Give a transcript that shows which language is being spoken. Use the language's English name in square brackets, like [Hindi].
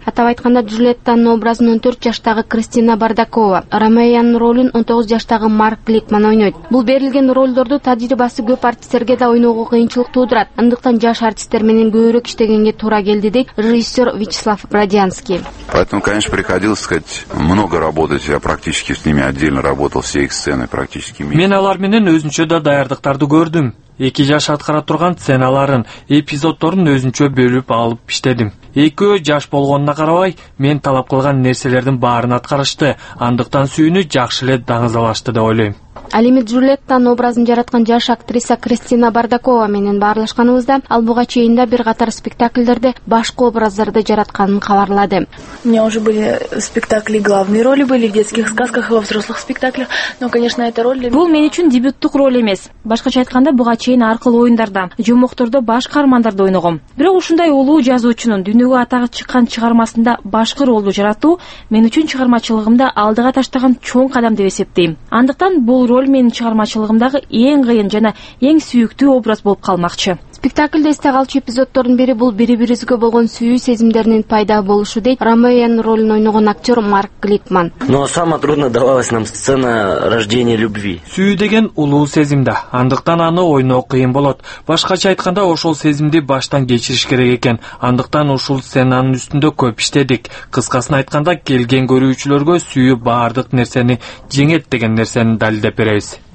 [Kyrgyz] Атап айтканда, Джульеттанын образын 14 жаштагы Кристина Бардакова, Ромеянын ролун 19 жаштагы Марк Гликман ойнойт. Бул берилген ролдорду тажрыйбасы көп артисттерге да ойногого кыйынчылык туудурат. Андыктан жаш артисттер менен көбүрөөк иштегенге туура келди, дейт режиссер Вячеслав Бродянский. [Russian] Поэтому, конечно, приходилось сказать много работать, я практически с ними отдельно работал все их сцены практически. [Kyrgyz] Мен алар менен өзүнчө да даярдыктарды көрдүм. Эки жаш аткара турган сценаларын, эпизодторун өзүнчө бөлүп алып иштедим. Экөө жаш болгонуна карабай, мен талап кылган нерселердин баарын аткарышты. Андыктан сүйүнү жакшы эле даңазалашты деп ойлойм. Ал эми Джульеттанын образын жараткан жаш актриса Кристина Бардакова менен баарлашканыбызда ал буга чейинде бир катар спектакльдерде башкы образдарды жаратканын кабарлады. [Russian] У меня уже были спектакли, главные роли были в детских сказках и во взрослых спектаклях, но, конечно, эта роль... [Kyrgyz] Бул мен үчүн дебюттук роль эмес. Башкача айтканда, буга чейин аркылуу оюндарда, жумокторда баш каармандарды ойногом. Бирок ушундай улуу жазуучунун дүйнөгө атагы чыккан чыгармасында башкы ролду жаратуу мен үчүн чыгармачылыгымда алдыга таштаган чоң кадам деп эсептейм. Андыктан бул роль менин чыгармачылыгымдагы эң кыйын жана эң сүйүктүү образ болуп калмакчы. Спектакльде эсте калчу эпизодтордун бири бул бири бирибизге болгон сүйүү сезимдеринин пайда болушу, дейт Ромеонун ролун ойногон актер Марк Гликман. [Russian] Но самое трудное давалась нам сцена рождения любви. [Kyrgyz] Сүйүү деген улуу сезим да, андыктан аны ойноо кыйын болот. Башкача айтканда ошол сезимди баштан кечириш керек экен. Андыктан ушул сценанын үстүндө көп иштедик. Кыскасын айтканда келген көрүүчүлөргө сүйүү баардык нерсени жеңет деген нерсени далилдеп беребиз.